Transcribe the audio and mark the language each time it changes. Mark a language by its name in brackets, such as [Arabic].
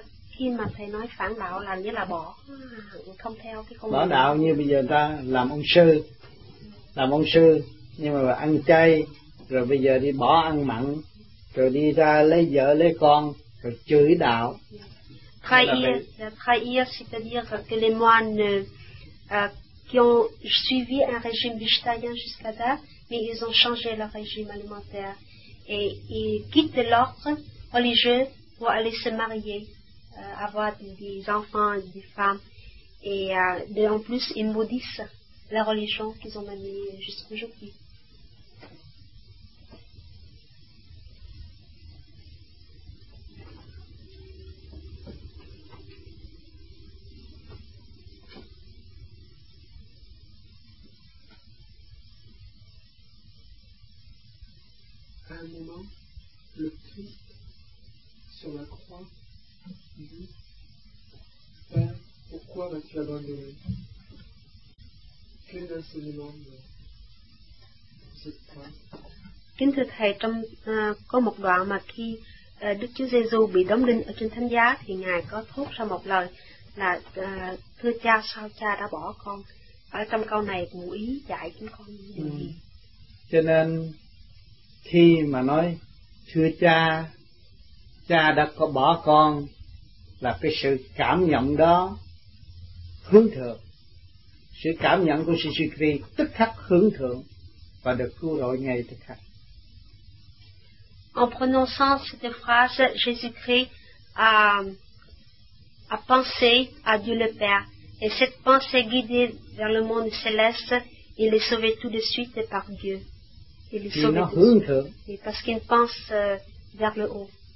[Vietnamese] khi mà thầy nói phản đạo là nghĩa là bỏ không theo cái con bỏ đạo, như bây giờ người ta làm ông sư nhưng mà ăn chay, rồi bây giờ đi bỏ ăn mặn, rồi đi ra lấy vợ lấy con, rồi chửi đạo. [French] Trahir, c'est-à-dire que les moines qui ont suivi un régime végétarien jusqu'à là, mais ils ont changé leur régime alimentaire. Et ils quittent l'ordre religieux pour aller se marier, avoir des enfants, des femmes. Et en plus, ils maudissent la religion qu'ils ont menée jusqu'à aujourd'hui. À un moment, le Christ, sur la croix, dit « Père, pourquoi m'as-tu abandonné ?» Quel est ce moment de cette croix? [Vietnamese] Kính thưa Thầy, trong có một đoạn mà khi Đức Chúa Giê-xu bị đóng đinh ở trên thánh giá, thì Ngài có thốt ra một lời là thưa cha, sao cha đã bỏ con? Ở trong câu này, ngụ ý dạy chúng con như vậy. Cho nên khi mà nói thưa cha đã có bỏ con, là cái sự cảm nhận đó hướng thượng. Sự cảm nhận của Sisikri tức khắc hướng thượng và được cứu rỗi ngay tức khắc. [French] En prononçant cette phrase, Jésus-Christ a pensé à Dieu le Père, et cette pensée guidée vers le monde céleste, il est sauvé tout de suite par Dieu. Il est sauvé tout de suite. Et parce qu'il pense vers le haut.